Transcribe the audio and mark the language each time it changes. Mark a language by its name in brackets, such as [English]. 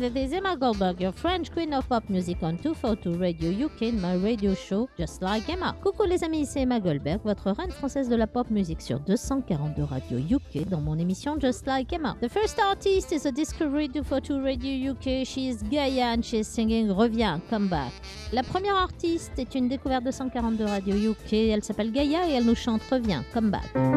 [English] This is Emma Goldberg, your French queen of pop music on 242 Radio UK in my radio show, Just Like Emma. [French] Coucou les amis, c'est Emma Goldberg, votre reine française de la pop music sur 242 Radio UK dans mon émission Just Like Emma. [English] The first artist is a discovery 242 Radio UK. She is GAIA and she is singing Reviens, Come Back. [French] La première artiste est une découverte de 242 Radio UK. Elle s'appelle GAIA et elle nous chante Reviens, Come Back.